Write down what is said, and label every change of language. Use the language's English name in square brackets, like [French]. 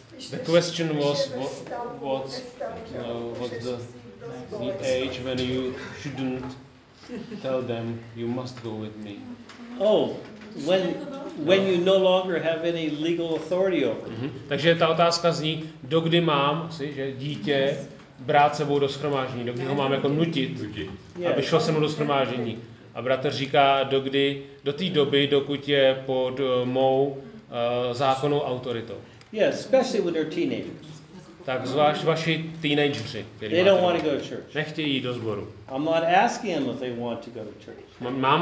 [English] The question was what the age when you shouldn't tell them you must go with me. Oh, when you no longer have any legal authority over. Mm-hmm. [Czech] Takže ta otázka zní, dokdy mám si, že dítě brát sebou do shromáždění, dokdy ho mám jako nutit, aby šlo se mnou do shromáždění. A bratr říká, dokdy, do té doby, dokud je pod mou zákonnou autoritou. [English] Yes, especially when they're teenagers. [Czech] Tak zvlášť vaši teenageři, [English] který they don't want to go to church. [Czech] Nechtějí jít do sboru. [English] I'm not asking them if they want to go to church.